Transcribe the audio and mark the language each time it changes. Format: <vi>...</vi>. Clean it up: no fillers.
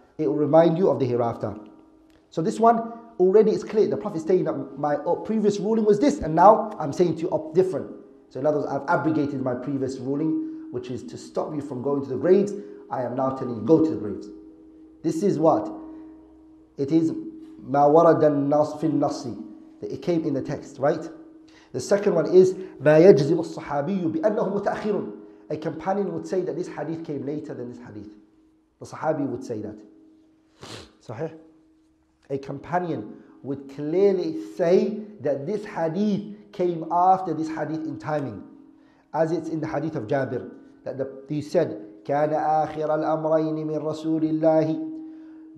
<en>It will remind you of the hereafter. So this one, already it's clear. The Prophet is saying that my previous ruling was this, and now I'm saying to you different. So in other words, I've abrogated my previous ruling, which is to stop you from going to the graves. I am now telling you, go to the graves. This is what? It is</en> <ar>مَا وَرَدَ النَّاسِ فِي النَّاسِ.</ar> <en>It came in the text, right? The second one is</en> <ar>مَا يَجْزِمُ الصَّحَابِيُّ بِأَنَّهُ مُتَأْخِرٌ.</ar> <en>A companion would say that this hadith came later than this hadith. The Sahabi would say that.</en> <ar>صحيح?</ar> <en>A companion would clearly say that this hadith came after this hadith in timing, as it's in the hadith of Jabir that he said</en> <ar>كان آخر الأمرين من رسول الله.</ar>